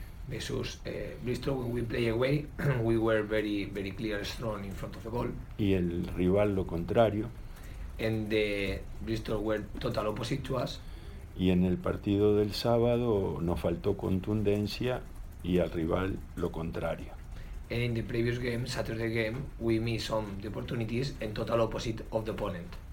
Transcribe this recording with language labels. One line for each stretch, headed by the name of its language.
English: Jesús, Bristol, when we play away, we were very, very clear, strong in front of the ball.
Spanish: Y el rival lo contrario.
English: And the Bristol were total opposite to us.
Spanish: Y en el partido del sábado nos faltó contundencia y al rival lo contrario.
English: And in the previous game, Saturday game, we missed some the opportunities and total opposite of the opponent.